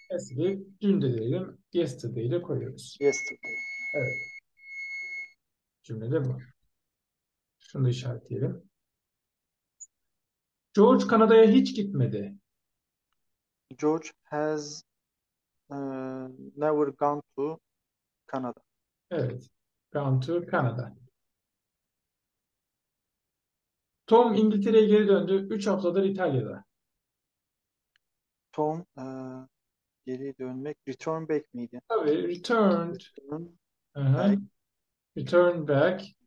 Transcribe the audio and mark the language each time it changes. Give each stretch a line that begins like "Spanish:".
Turkish: Asleep, dün de diyelim, yesterday de koyuyoruz.
English: asleep.
Turkish: Evet. Cümlede bu. Şunu da işaretleyelim. George Kanada'ya hiç gitmedi.
English: George has never gone to Canada. Evet. Gone to Canada.
Turkish: Tom İngiltere'ye geri döndü. 3 haftadır İtalya'da. Tom geri dönmek return back miydi? Tabii returned.
English: Return back Return back